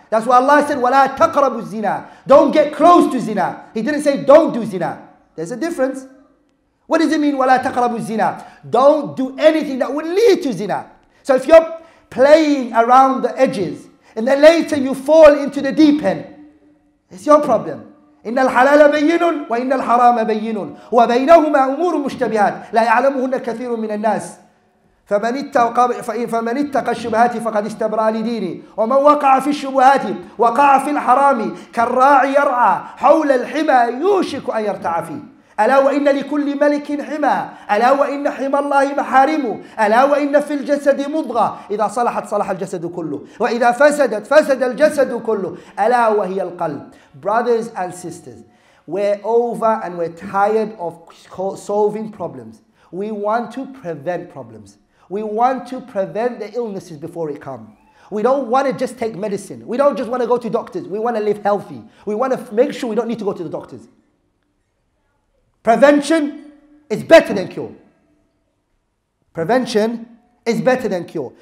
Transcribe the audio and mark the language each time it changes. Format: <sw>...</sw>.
<en>That's why Allah said,</en> <ar>وَلَا تَقْرَبُوا الزِّنَا</ar> <en>Don't get close to zina. He didn't say, don't do zina. There's a difference. What does it mean,</en> <ar>وَلَا تَقْرَبُوا الزِّنَا</ar> <en>Don't do anything that would lead to zina. So if you're playing around the edges, and then later you fall into the deep end, it's your problem.</en> <ar>إِنَّ الْحَلَالَ بَيِّنٌ وَإِنَّ الْحَرَامَ بَيِّنٌ وَبَيْنَهُمَا أُمُورٌ مُشْتَبِهَاتٌ لَا يَعْلَمُهُنَّ كَثِيرٌ مِنَ النَّاسِ فمن اتقى الشبهات فقد استبرا لدينه ومن وقع في الشبهات وقع في الحرام كالراعي يرعى حول الحمى يوشك أن يرتع فيه ألا وإن لكل ملك حمى ألا وإن حمى الله محارمه ألا وإن في الجسد مضغة إذا صلحت صلح الجسد كله وإذا فسدت فسد الجسد كله ألا وهي القلب</ar> <en>Brothers and sisters, we're over and we're tired of solving problems. We want to prevent problems. We want to prevent the illnesses before it come. We don't want to just take medicine. We don't just want to go to doctors. We want to live healthy. We want to make sure we don't need to go to the doctors. Prevention is better than cure. Prevention is better than cure.</en>